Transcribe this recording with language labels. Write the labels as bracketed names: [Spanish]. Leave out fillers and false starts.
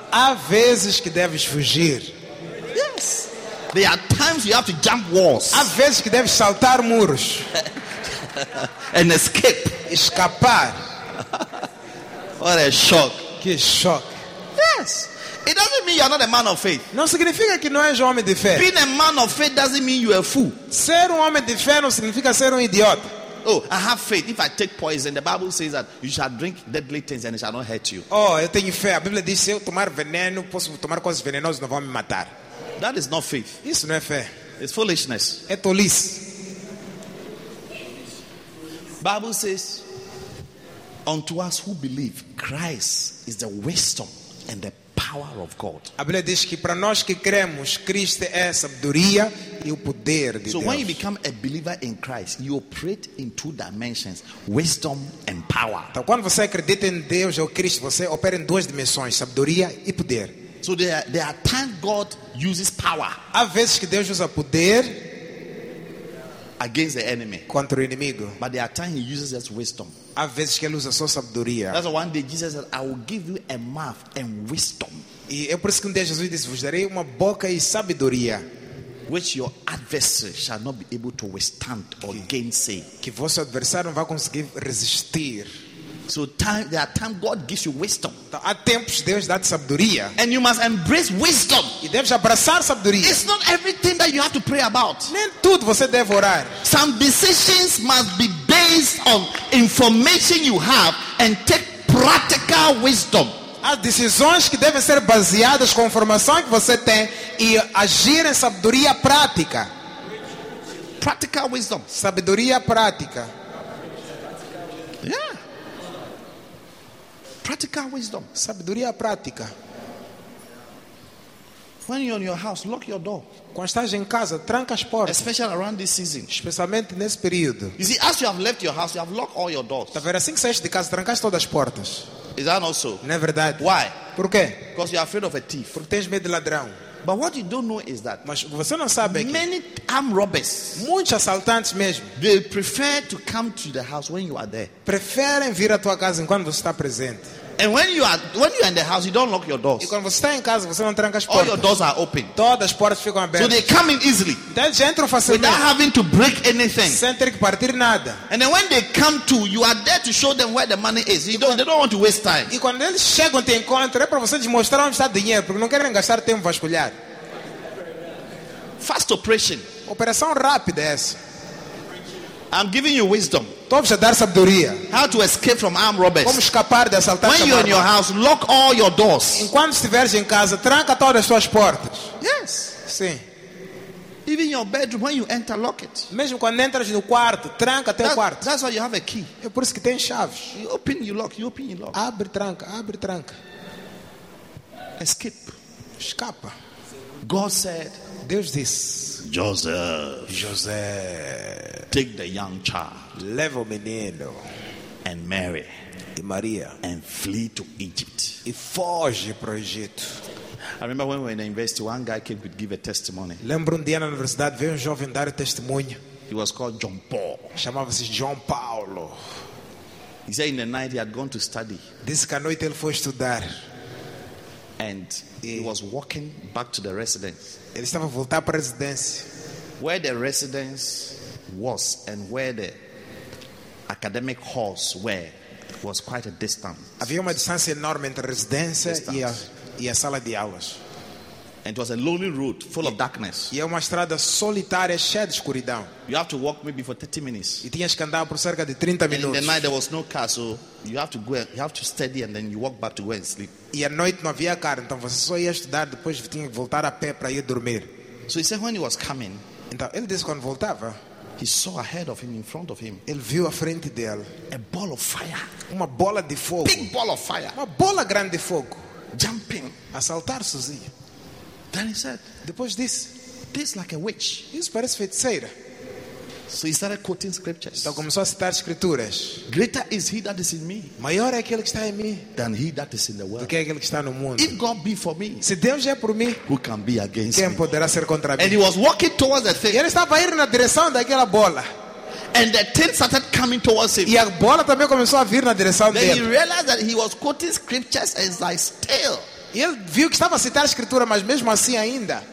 [Portuguese] Há vezes que deves fugir. [English] Yes. There are times you have to jump walls. [Portuguese] Há vezes que deves saltar muros. [English] And escape. [Portuguese] Escapar. [English] What a shock. [Portuguese] Que shock. [English] Yes. It doesn't mean you are not a man of faith. [Portuguese] Não significa que não és homem de fé. [English] Being a man of faith doesn't mean you are a fool. [Portuguese] Ser homem de fé não significa ser idiota. [English] Oh, I have faith. If I take poison, the Bible says that you shall drink deadly things and it shall not hurt you. [Portuguese] Oh, eu tenho fé. A Bíblia diz que se eu tomar veneno, posso tomar coisas venenosas e não vão me matar. [English] That is not faith. [Portuguese] Isso não é fé. [English] It's foolishness. [Portuguese] É tolice. [English] Bible says, unto us who believe, Christ is the wisdom and the power. power of God. [Portuguese] A Bíblia diz que para nós que cremos, Cristo é a sabedoria e o poder de [English] Deus. So when you become a believer in Christ, you operate in two dimensions, wisdom and power. [Portuguese] Então quando você acredita em Deus ou Cristo, você opera em duas dimensões, sabedoria e poder. [English] So there are times God uses power. [Portuguese] Há vezes que Deus usa poder [English] against the enemy. [Portuguese] Contra o inimigo. [English] But there are times He uses His wisdom. [Portuguese] Há vezes que Ele usa só sabedoria. [English] That's why one day Jesus said, "I will give you a mouth and wisdom." [Portuguese] E é por isso que um dia Jesus disse, "Vos darei uma boca e sabedoria." [English] Which your adversary shall not be able to withstand or gainsay. [Portuguese] Que vosso adversário não vai conseguir resistir. [English] So time, there are times God gives you wisdom. [Portuguese] Há tempos Deus dá sabedoria. [English] And you must embrace wisdom. [Portuguese] E deves abraçar sabedoria. [English] It's not everything that you have to pray about. [Portuguese] Nem tudo você deve orar. [English] Some decisions must be based on information you have and take practical wisdom. [Portuguese] Há decisões que devem ser baseadas com a informação que você tem e agir em sabedoria prática. [English] Practical wisdom. [Portuguese] Sabedoria prática. [English] Yeah. Practical wisdom, [Portuguese] sabedoria prática. [English] When you're in your house, lock your door. [Portuguese] Quando estás em casa, tranca as portas. [English] Especially around this season. [Portuguese] Especialmente nesse período. [English] You see, as you have left your house, you have locked all your doors. [Portuguese] Tá vendo? Assim que saíste de casa, trancaste todas as portas. [English] Is that not so? [Portuguese] Não é verdade? [English] Why? [Portuguese] Por quê? [English] Because you're afraid of a thief. [Portuguese] Porque tens medo de ladrão. [English] But what you don't know is that. [Portuguese] Mas você não sabe que [English] many armed robbers, [Portuguese] muitos assaltantes mesmo, [English] they prefer to come to the house when you are there. [Portuguese] Preferem vir à tua casa enquanto você está presente. [English] And when you are in the house, you don't lock your doors. [Portuguese] E quando você está em casa, você não tranca as portas. [English] All your doors are open. [Portuguese] Todas as portas ficam abertas. [English] So they come in easily. [Portuguese] Então eles entram facilmente. [English] Without having to break anything. [Portuguese] Sem ter que partir nada. [English] And then when they come to, you are there to show them where the money is. They don't want to waste time. [Portuguese] E quando eles chegam te encontram, é para você mostrar onde está o dinheiro, porque não querem gastar tempo vasculhar. [English] Fast operation. [Portuguese] Operação rápida essa. [English] I'm giving you wisdom. [Portuguese] Estou-vos a dar sabedoria. [English] How to escape from armed robbers. [Portuguese] Como escapar de assaltantes. [English] When you're in your house, lock all your doors. [Portuguese] Enquanto estiveres em casa, tranca todas as suas portas. [English] Yes. [Portuguese] Sim. [English] Even your bedroom, when you enter, lock it. [Portuguese] Mesmo quando entras no quarto, tranca teu quarto. [English] That's why you have a key. [Portuguese] É por isso que tem chaves. [English] You open, you lock. You open, you lock. [Portuguese] Abre, tranca. [English] Escape. [Portuguese] Escapa. [English] God said. [Portuguese] Deus disse. [English] José, take the young child, [Portuguese] leva o menino, [English] and Mary, [Portuguese] e Maria, [English] and flee to Egypt, [Portuguese] e foge para o Egito. [English] I remember when we were in the university, one guy came to give a testimony. [Portuguese] Lembro dia na universidade veio jovem dar testemunho. [English] He was called John Paul. [Portuguese] Chamava-se João Paulo. [English] He said in the night he had gone to study. [Portuguese] Disse que à noite ele foi estudar. [English] And he was walking back to the residence. [Portuguese] Ele estava a voltar para a residência. [English] Where the residence was and where the academic halls were was quite a distance. [Portuguese] Havia uma distância enorme entre a residência e a sala de aulas. [English] And it was a lonely road full of darkness. [Portuguese] E é uma estrada solitária cheia de escuridão. [English] You have to walk maybe for 30 minutes. [Portuguese] E tinhas que andar por cerca de 30 minutos. [English] And in the night there was no car, so you have to go. You have to study and then you walk back to go and sleep. [Portuguese] E à noite não havia carro, então você só ia estudar, depois tinha que voltar a pé para ir dormir. [English] So he said when he was coming. [Portuguese] Então ele disse quando voltava. [English] He saw ahead of him, in front of him. [Portuguese] Ele viu à frente dele. [English] A ball of fire. [Portuguese] Uma bola de fogo. [English] Big ball of fire. [Portuguese] Uma bola grande de fogo. [English] Jumping. [Portuguese] A saltar sozinho. [English] Then he said, [Portuguese] depois this, [English] tastes like a witch. [Portuguese] Isso parece feiticeira. [English] So he started quoting scriptures. [Portuguese] Então começou a citar escrituras. [English] Greater is he that is in me. [Portuguese] Maior é aquele que está em mim. [English] Than he that is in the world. [Portuguese] Do que é aquele que está no mundo. [English] If God be for me. [Portuguese] Se Deus é por mim. [English] Who can be against [Portuguese] quem [English] me? [Portuguese] Poderá ser contra mim? [English] And he was walking towards the thing. [Portuguese] E ele estava indo na direção daquela bola. [English] And the thing started coming towards him. [Portuguese] E a bola também começou a vir na direção [English] then [Portuguese] dele. [English] Then he realized that he was quoting scriptures as like still. [Portuguese] E ele viu que estava a citar a escritura, mas mesmo assim ainda.